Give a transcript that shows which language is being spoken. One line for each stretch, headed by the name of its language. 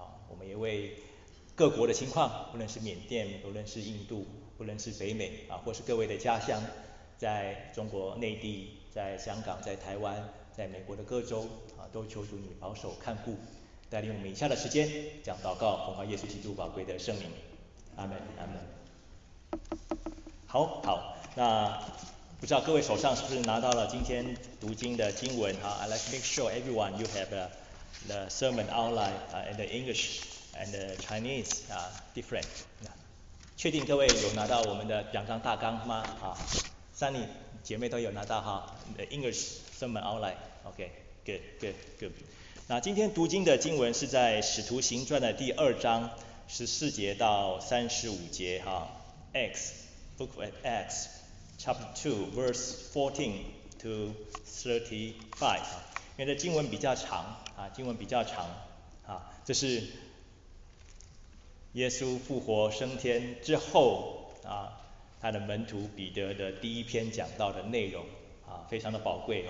Chinese: 我们也为各国的情况，不论是缅甸，不论是印度，不论是北美或是各位的家乡，在中国内地，在香港，在台湾，在美国的各州都求主你保守看顾，带领我们以下的时间讲祷告，奉靠耶稣基督宝贵的圣名，阿们阿们。好好，那不知道各位手上是不是拿到了今天读经的经文
English: I'd like to make sure everyone you have the sermon outline and the English and the Chinese different。
Chinese: 确定各位有拿到我们的两张大纲吗Sunny 姐妹都有拿到
English: The English sermon outline。 OK good good good。
Chinese: 那今天读经的经文是在使徒行传的第二章14节到35节
English: X book of Acts chapter 2 verse 14 to 35
Chinese: 因为这经文比较长经文比较长这是耶稣复活升天之后他的门徒彼得的第一篇讲到的内容非常的宝贵。